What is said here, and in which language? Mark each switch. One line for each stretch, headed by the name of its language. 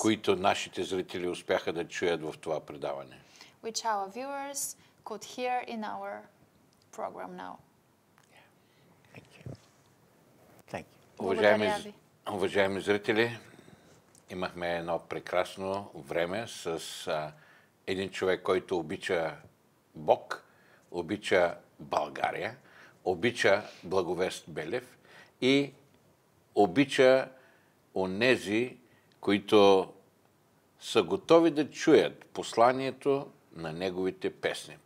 Bulgarian: които нашите зрители успяха да чуят в това предаване.
English: Which our viewers could hear in our program now. Thank you. Thank you.
Bulgarian: Уважаеми зрители, имахме едно прекрасно време с един човек, който обича Бог, обича България, обича Благовест Белев и обича онези, които са готови да чуят посланието на неговите песни.